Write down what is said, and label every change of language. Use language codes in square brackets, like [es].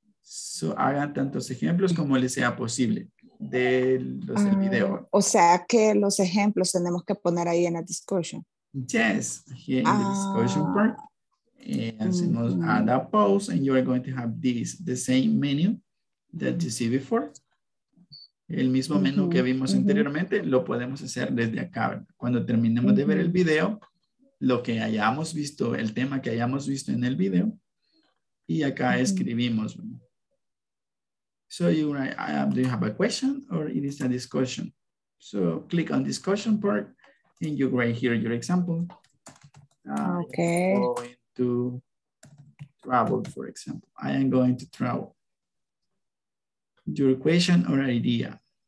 [es] So, hagan tantos ejemplos como les sea posible de los del video. O sea, que los ejemplos tenemos que poner ahí en la discussion. Yes, aquí en la discussion part. Hacemos [en] that post and you are going to have this, the same menu that you see before. [es] El mismo menú que vimos anteriormente lo podemos hacer desde acá. Cuando terminemos de ver el video, lo que hayamos visto, el tema que hayamos visto en el video, y acá escribimos. [en] So you, do you have a question or it is a discussion? So click on discussion part and you write here your example. Okay. I'm going to travel, for example. I am going to travel. Your question or idea?